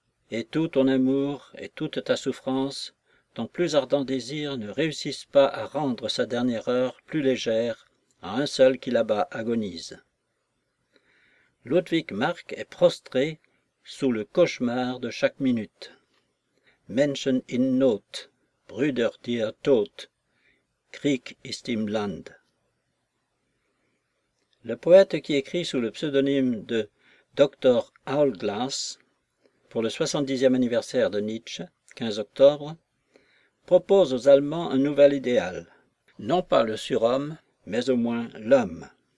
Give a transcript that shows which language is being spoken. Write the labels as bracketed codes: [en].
[fr] Et tout ton amour et toute ta souffrance, ton plus ardent désir ne réussissent pas à rendre sa dernière heure plus légère à un seul qui là-bas agonise. Ludwig Mark est prostré sous le cauchemar de chaque minute. [de] Menschen in Not, Brüder dir tot, Krieg ist im Land. [fr] Le poète qui écrit sous le pseudonyme de Dr. Hourglass, pour le 70e anniversaire de Nietzsche, 15 octobre, propose aux Allemands un nouvel idéal, non pas le surhomme, mais au moins l'homme.